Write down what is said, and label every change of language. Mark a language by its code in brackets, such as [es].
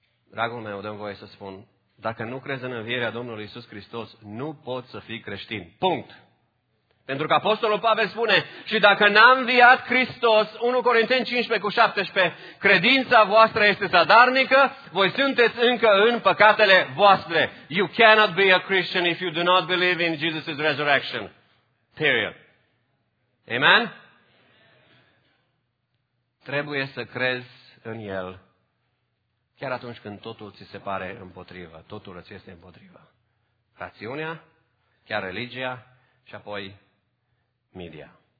[ro] Dragul meu, dă-mi voie să spun, dacă nu crezi în învierea Domnului Iisus Hristos, nu poți să fii creștin. Punct. Pentru că Apostolul Pavel spune, și dacă n-a înviat Hristos, 1 Corinteni 15:17, credința voastră este zadarnică, voi sunteți încă în păcatele voastre. [en] You cannot be a Christian if you do not believe in Jesus' resurrection. Period. Amen? [ro] Trebuie să crezi în El, chiar atunci când totul ți se pare împotrivă, totul îți este împotrivă. Rațiunea, chiar religia și apoi media.